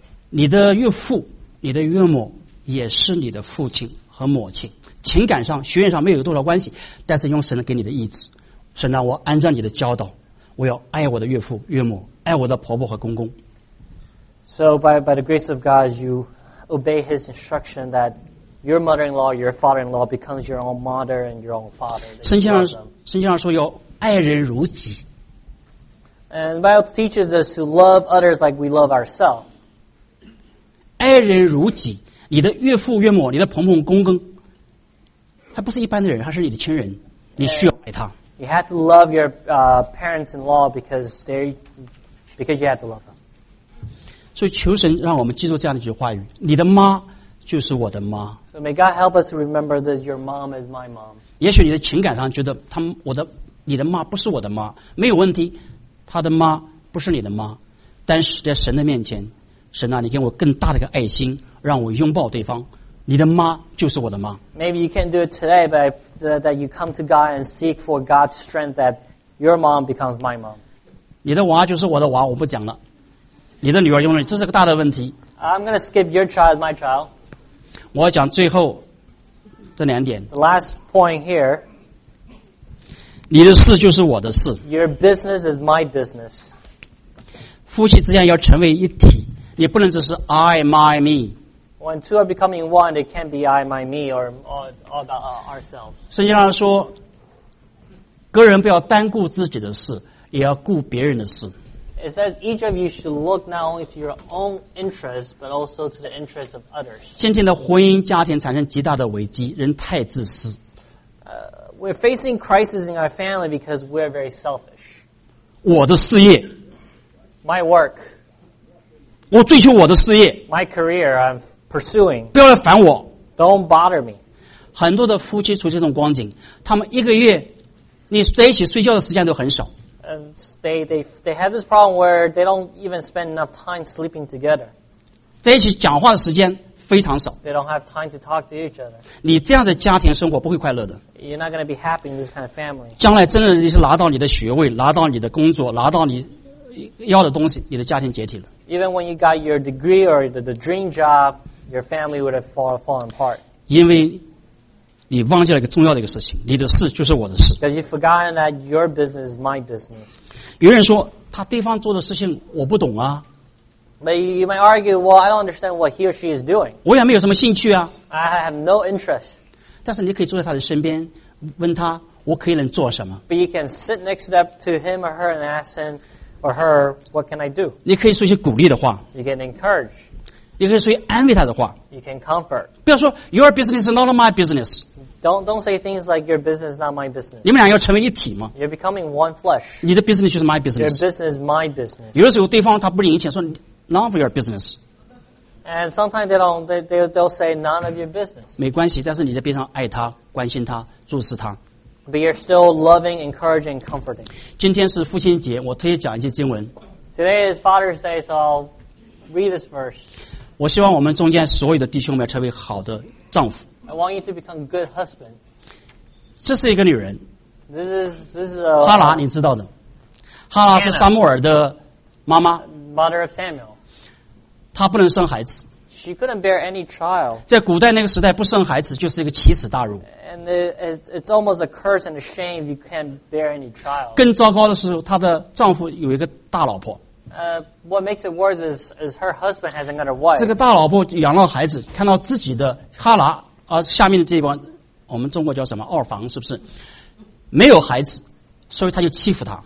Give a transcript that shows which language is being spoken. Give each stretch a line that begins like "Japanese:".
Chinese: 你的岳父、你的岳母也是你的父亲和母亲。情感上、血缘上没有多少关系，但是用神给你的意志，神让我按照你的教导，我要爱我的岳父、岳母，爱我的婆婆和公公。
English: So by the grace of God, you obey His instruction that your mother-in-law, your father-in-law becomes your own mother and your own father.
Chinese: 圣经上说要爱人如己。
English: And the Bible teaches us to love others like we love ourselves.
Chinese: 爱人如己，你的岳父、岳母、你的婆婆、公公，还不是一般的人，还是你的亲人，你需要爱他。
English: You have to love your parents-in-law because you have to love them.
Chinese: 所以求神让我们记住这样的一句话语：你的妈就是我的妈。
English: So may God help us remember that your mom is my mom.
Chinese: 也许你的情感上觉得他们我的你的妈不是我的妈，没有问题，他的妈不是你的妈，但是在神的面前，神啊，你给我更大的一个爱心，让我拥抱对方。你的妈就是我的妈。
English: Maybe you can't do it today, but that you come to God and seek for God's strength that your mom becomes my mom.
Chinese: 你的娃就是我的娃，我不讲了。你的女儿用了，这是个大的问题。
English: I'm going to skip your child as my child.
Chinese: 我要讲最后这两点。
English: The last point here.
Chinese: 你的事就是我的事。
English: Your business is my business.
Chinese: 夫妻之间要成为一体，你不能只是
English: I, my, me. When two are becoming one, it can't be I, my, me, or all about ourselves.
Chinese: 圣经上说，个人不要单顾自己的事，也要顾别人的事。
English: It says each of you should look not only to your own interests, but also to the interests of others.
Chinese: 现今的婚姻家庭产生极大的危机，人太自私。
English: We're facing crisis in our family because we're very selfish.
Chinese: 我的事业。
English: My work.
Chinese: 我追求我的事业。
English: My career, I'm. Pursuing.
Chinese: 不要来烦我。
English: Don't bother me.
Chinese: 很多的夫妻出现这种光景，他们一个月，你在一起睡觉的时间都很少。
English: And they have this problem where they don't even spend enough time sleeping together.
Chinese: 在一起讲话的时间非常少。
English: They don't have time to talk to each other.
Chinese: 你这样的家庭生活不会快乐的。
English: You're not going to be happy in this kind of family.
Chinese: 将来真的你是拿到你的学位，拿到你的工作，拿到你要的东西，你的家庭解体了。
English: Even when you got your degree or the dream job. Your family would have fallen apart.
Chinese: 因为你忘记了一个重要的一个事情，你的事就是我的事。
English: Because you've forgotten that your business is my business.
Chinese: 有人说他对方做的事情我不懂啊。
English: But you might argue, well, I don't understand what he or she is doing.
Chinese: 我也没有什么兴趣啊。
English: I have no interest.
Chinese: 但是你可以坐在他的身边，问他我可以能做什么。
English: But you can sit next up to him or her and ask him or her, what can I do?
Chinese: 你可以说一些鼓励的话。
English: You can encourage.
Chinese: 你可以说安慰他的话。
English: You can comfort.
Chinese: 不要说
English: your business is not my business. Don't say things like your business is not my business.
Chinese: 你们俩要成为一体吗？
English: You're becoming one flesh.
Chinese: 你的 business 就是
English: my business. Your business is my business.
Chinese: 有的时候对方他不领情，说
English: none of your business. And sometimes they'll say none of your business.
Chinese: 没关系，但是你在边上爱他、关心他、注视他。
English: But you're still loving, encouraging, comforting.
Chinese: 今天是父亲节，我特意讲一些经文。
English: Today is Father's Day, so I'll read this verse.
Chinese: 我希望我们中间所有的弟兄们成为好的丈夫。
English: I want you to become a good husband.
Chinese: 这是一个女人。
English: This is a
Chinese: 哈拉，你知道的。哈拉是撒母耳的妈妈。
English: Mother of Samuel.
Chinese: 她不能生孩子。
English: She couldn't bear any child.
Chinese: 在古代那个时代，不生孩子就是一个奇耻大辱。
English: And it's almost a curse and a shame if you can't bear any child.
Chinese: 更糟糕的是，她的丈夫有一个大老婆。
English: What makes it worse is her husband has another wife.
Chinese: 这个大老婆养了孩子，看到自己的哈拉下面的这一帮，我们中国叫什么二房是不是？没有孩子，所以他就欺负她。